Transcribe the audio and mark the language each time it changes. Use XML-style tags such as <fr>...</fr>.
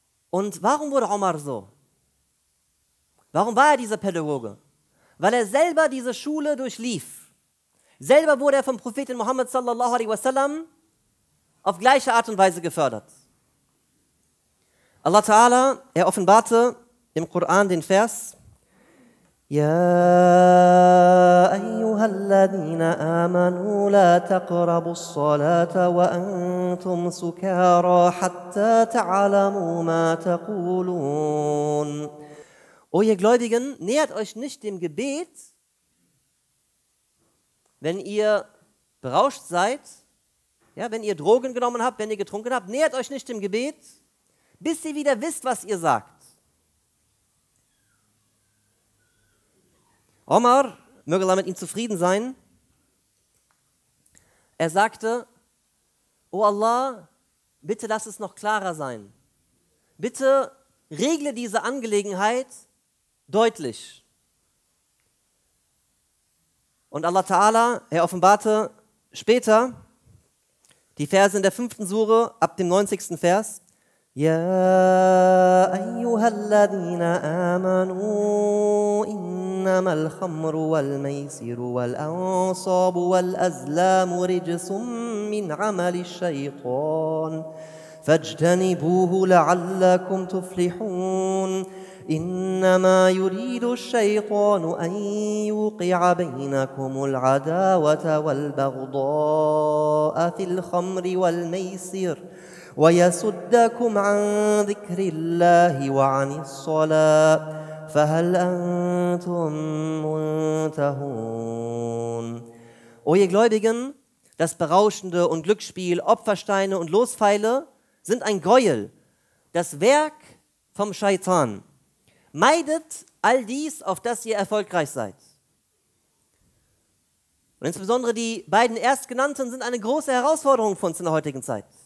<de>Und warum wurde Omar so? Warum war er dieser Pädagoge? Weil er selber diese Schule durchlief. Selber wurde er vom Propheten Muhammad sallallahu alaihi wasallam auf gleiche Art und Weise gefördert. Allah Ta'ala, er offenbarte im Koran den Vers,</de> <ar>يا أيها الذين آمنوا لا تقربوا الصلاة وأنتم سكارى حتى تعلموا ما تقولون.</ar> <de>O ihr Gläubigen, nähert euch nicht dem Gebet, wenn ihr berauscht seid, ja, wenn ihr Drogen genommen habt, wenn ihr getrunken habt, nähert euch nicht dem Gebet, bis ihr wieder wisst, was ihr sagt. Omar, möge Allah mit ihm zufrieden sein, er sagte, O Allah, bitte lass es noch klarer sein. Bitte regle diese Angelegenheit deutlich. Und Allah Ta'ala, er offenbarte später die Verse in der 5. Sure ab dem 90. Vers. Ja,</de> <ar>أيها الذين آمنوا إنما الخمر والميسر والأنصاب والأزلام رجس من عمل الشيطان فاجتنبوه لعلكم تفلحون إنما يريد الشيطان أن يوقع بينكم العداوة والبغضاء في الخمر والميسر ويصدكم عن ذكر الله وعن الصلاة فهل أنتم منتهون.</ar> <de>O ihr Gläubigen, das Berauschende und Glücksspiel, Opfersteine und Lospfeile sind ein Greuel, das Werk vom Scheitan. Meidet all dies, auf dass ihr erfolgreich seid. Und insbesondere die beiden Erstgenannten sind eine große Herausforderung für uns in der heutigen Zeit.</de>